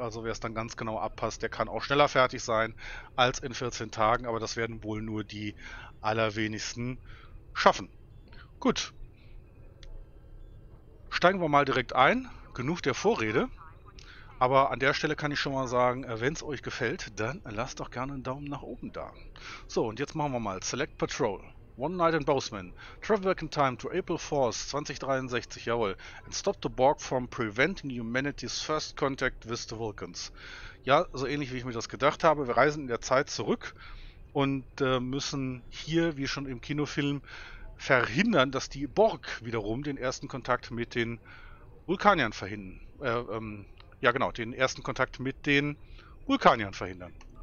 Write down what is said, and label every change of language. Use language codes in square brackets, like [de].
[de] Also wer es dann ganz genau abpasst, der kann auch schneller fertig sein als in 14 Tagen, aber das werden wohl nur die allerwenigsten schaffen. Gut. Steigen wir mal direkt ein. Genug der Vorrede. Aber an der Stelle kann ich schon mal sagen, wenn es euch gefällt, dann lasst doch gerne einen Daumen nach oben da. So, und jetzt machen wir mal Select Patrol. [en] One Night in Bozeman. Travel back in time to April 4th, 2063. [de] Jawohl. [en] And stop the Borg from preventing humanity's first contact with the Vulcans. [de] Ja, so ähnlich wie ich mir das gedacht habe. Wir reisen in der Zeit zurück und müssen hier, wie schon im Kinofilm, verhindern, dass die Borg wiederum den ersten Kontakt mit den Vulkaniern verhindern. Ja, genau, den ersten Kontakt mit den Vulkaniern verhindern.